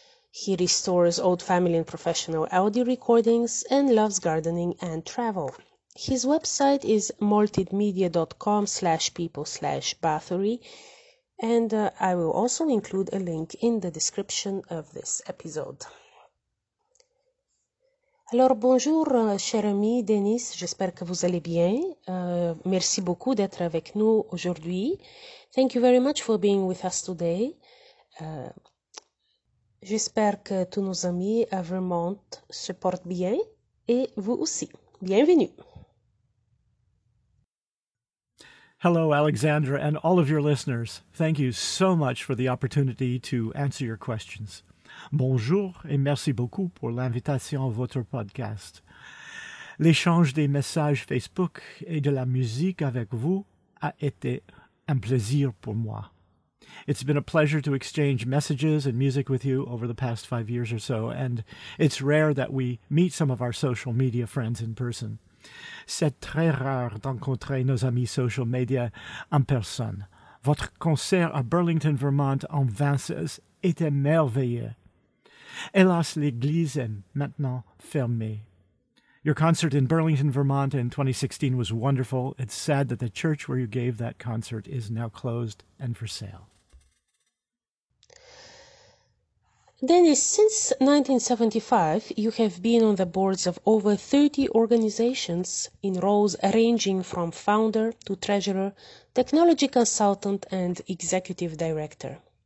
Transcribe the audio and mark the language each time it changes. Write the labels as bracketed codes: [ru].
[en] He restores old family and professional audio recordings and loves gardening and travel. His website is multimedia.com/people/Bathory, and I will also include a link in the description of this episode. [fr] Alors bonjour, cher ami Denis, j'espère que vous allez bien. Merci beaucoup d'être avec nous aujourd'hui. [en] Thank you very much for being with us today. [fr] J'espère que tous nos amis à Vermont se portent bien et vous aussi. Bienvenue. [en] Hello, Alexandra, and all of your listeners. Thank you so much for the opportunity to answer your questions. [fr] Bonjour et merci beaucoup pour l'invitation à votre podcast. L'échange des messages Facebook et de la musique avec vous a été un plaisir pour moi. [en] It's been a pleasure to exchange messages and music with you over the past 5 years or so, and it's rare that we meet some of our social media friends in person. [fr] C'est très rare d'encontrer nos amis social media en personne. Votre concert à Burlington, Vermont en 2016 était merveilleux. Hélas, l'église est maintenant fermée. [en] Your concert in Burlington, Vermont in 2016 was wonderful. It's sad that the church where you gave that concert is now closed and for sale. Dennis, since 1975, you have been on the boards of over 30 organizations in roles ranging from founder to treasurer, technology consultant, and executive director.